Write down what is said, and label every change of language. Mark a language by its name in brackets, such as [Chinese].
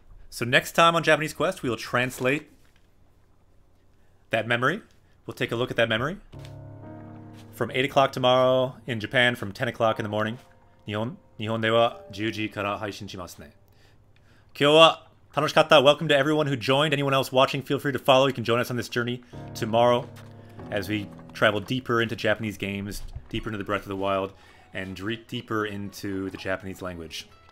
[English] So next time on Japanese Quest, we'll translate that memory. We'll take a look at that memory from 8 o'clock tomorrow in Japan, from 10 o'clock in the morning. [Japanese] 日本では10時から配信しますね。今日は楽しかった。 [English] Welcome to everyone who joined. Anyone else watching, feel free to follow. You can join us on this journey tomorrow as we travel deeper into Japanese games, deeper into the Breath of the Wild, and deeper into the Japanese language.